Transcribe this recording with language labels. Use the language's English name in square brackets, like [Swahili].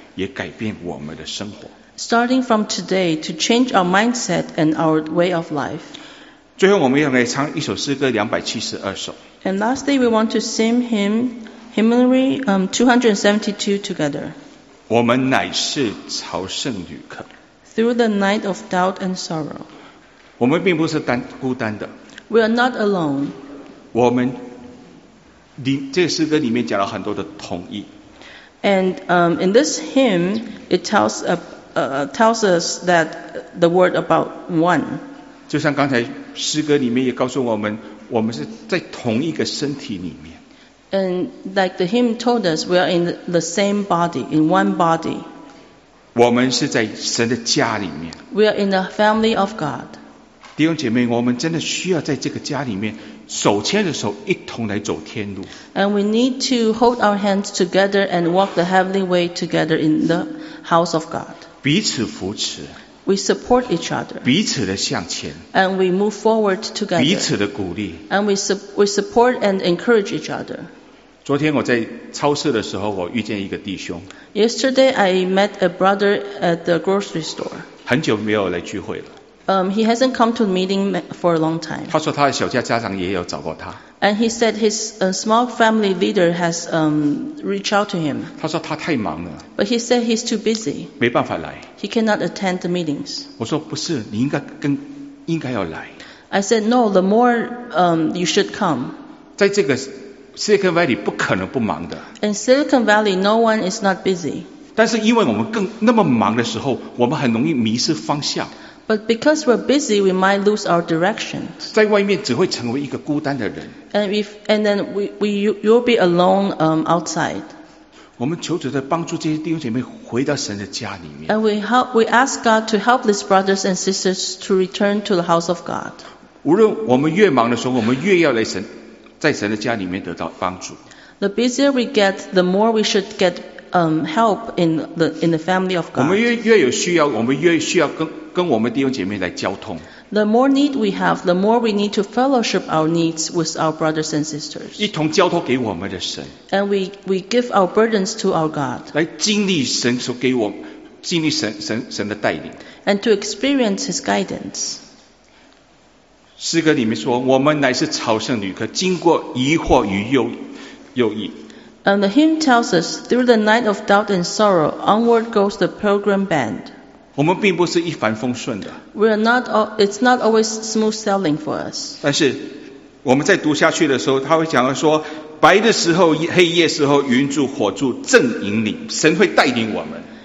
[Chinese] 也改变我们的生活。 [English] Starting from today to change our mindset and our way of life. [Chinese] 最后我们要来唱一首诗歌272首。 [English] And lastly, we want to sing hymnary 272 together. [Chinese] 我们乃是朝圣旅客。 [English] Through the night of doubt and sorrow. [Chinese] 我们并不是孤单的。 [English] We are not alone. [Chinese] 我们这个诗歌里面讲了很多的同意。 [English] And in this hymn, it tells us that the word about one. [Chinese] 就像刚才诗歌里面也告诉我们，我们是在同一个身体里面。 [English] And like the hymn told us, we are in the same body, in one body. [Chinese] 我们是在神的家里面。 [English] We are in the family of God. [Chinese] 弟兄姐妹，我们真的需要在这个家里面。手牵着手，一同来走天路。 [English] And we need to hold our hands together and walk the heavenly way together in the house of God. [Chinese] 彼此扶持。 [English] We support each other. [Chinese] 彼此的向前。 [English] And we move forward together. [Chinese] 彼此的鼓励。 [English] And we support and encourage each other. [Chinese] 昨天我在超市的时候，我遇见一个弟兄。 [English] Yesterday I met a brother at the grocery store. [Chinese] 很久没有来聚会了。 [English] He hasn't come to the meeting for a long time. [Chinese] 他说他的小家家长也有找过他。 [English] And he said his small family leader has reached out to him. [Chinese] 他说他太忙了。 [English] But he said he's too busy. [Chinese] 没办法来。 [English] He cannot attend the meetings. [Chinese] 我说不是，你应该要来。 [English] I said no, the more you should come. [Chinese] 在这个 Silicon Valley 不可能不忙的。 [English] In Silicon Valley, no one is not busy. [Chinese] 但是因为我们那么忙的时候，我们很容易迷失方向。 [English] But because we're busy, we might lose our direction. [Chinese] 在外面只会成为一个孤单的人。 [English] And then you'll be alone outside. [Chinese] 我们求主的帮助，这些弟兄姐妹回到神的家里面。 [English] And we ask God to help these brothers and sisters to return to the house of God. [Chinese] 无论我们越忙的时候，我们越要来神，在神的家里面得到帮助。 [English] The busier we get, the more we should get help in the family of God. [Chinese] 我们越有需要，我们越需要跟我们弟兄姐妹来交通。 [English] The more need we have, the more we need to fellowship our needs with our brothers and sisters. [Chinese] 一同交托给我们的神。 [English] And we give our burdens to our God. [Chinese] 来经历神所给我，经历神的带领。 [English] And to experience His guidance. [Chinese] 诗歌里面说，我们乃是朝圣旅客，经过疑惑与忧郁。 [English] And the hymn tells us, through the night of doubt and sorrow, onward goes the pilgrim band. [Chinese] 我们并不是一帆风顺的。 [English] It's not always smooth sailing for us. [Chinese] 但是我们在读下去的时候，他会讲到说，白的时候、黑夜时候，云柱、火柱正引领，神会带领我们。